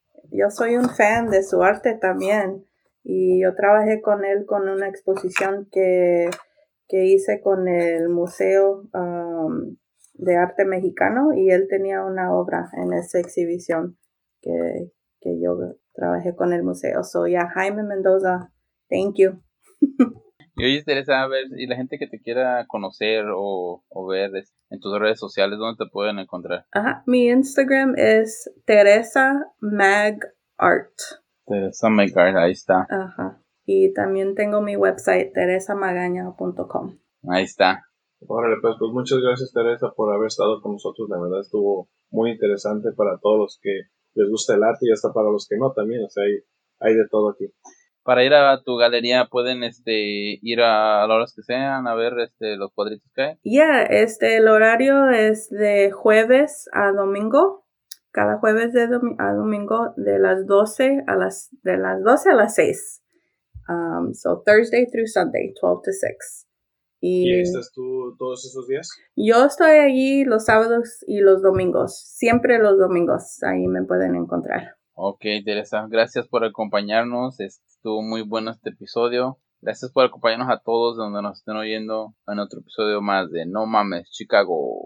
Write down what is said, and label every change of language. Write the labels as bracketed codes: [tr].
[es] Yo soy un fan de su arte también. Y yo trabajé con él con una exposición que hice con el Museo de Arte Mexicano. Y él tenía una obra en esa exhibición que yo trabajé con el museo. [en] So, yeah, Jaime Mendoza, thank you. [es] Y hoy interesa ver, y la gente que te quiera conocer o ver en tus redes sociales, ¿dónde te pueden encontrar? Ajá, mi Instagram es Teresa Mag Art. Teresa Mag Art, ahí está. Ajá, y también tengo mi website, teresamagaña.com. Ahí está. Órale, pues muchas gracias, Teresa, por haber estado con nosotros. La verdad estuvo muy interesante para todos los que les gusta el arte y hasta para los que no también, o sea, hay de todo aquí. Para ir a tu galería, ¿pueden ir a las horas que sean a ver los cuadritos que hay? [en] Yeah, [es] el horario es de jueves a domingo, cada jueves de domingo de las 12 a las, de las 12 a las 6. [en] So Thursday through Sunday, 12 to 6. [es] ¿Y estás tú todos esos días? Yo estoy allí los sábados y los domingos, siempre los domingos, ahí me pueden encontrar. Ok, Teresa, gracias por acompañarnos. Estuvo muy bueno este episodio. Gracias por acompañarnos a todos donde nos estén oyendo en otro episodio más de No Mames, Chicago.